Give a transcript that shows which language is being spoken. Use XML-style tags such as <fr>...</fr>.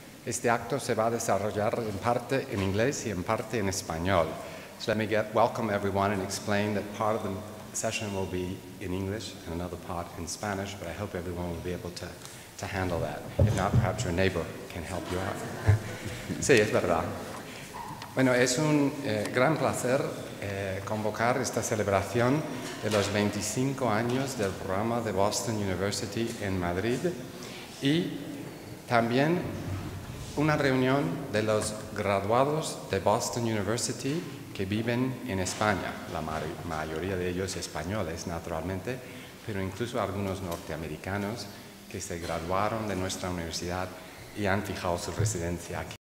<es>Este acto se va a desarrollar en parte en inglés y en parte en español.</es> <en>So let me welcome everyone and explain that part of the session will be in English and another part in Spanish, but I hope everyone will be able to handle that. If not, perhaps your neighbor can help you out.</en> <es>Sí, es verdad. Bueno, es un gran placer convocar esta celebración de los 25 años del programa de Boston University en Madrid y también una reunión de los graduados de Boston University que viven en España, la mayoría de ellos españoles, naturalmente, pero incluso algunos norteamericanos que se graduaron de nuestra universidad y han fijado su residencia aquí.</es>